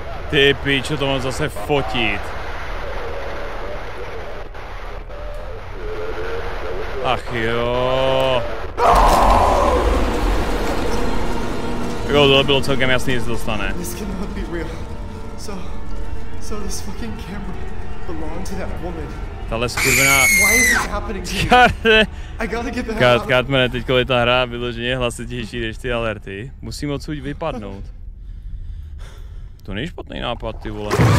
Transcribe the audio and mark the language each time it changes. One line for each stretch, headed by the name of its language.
Czech: Ty pičo, to mám zase fotit. Ach jo. Jo, to bylo celkem jasný, že se dostane.
English: This cannot be real. So this fucking camera belonged to that woman.
Czech: Tahle skurvená...
English: Why is this happening to you? I gotta get the hell out.
Czech: Cartmane, teďko je ta hra vyloženě hlasitější než ty alerty. Musím odsud vypadnout. To není špatný nápad, ty vole.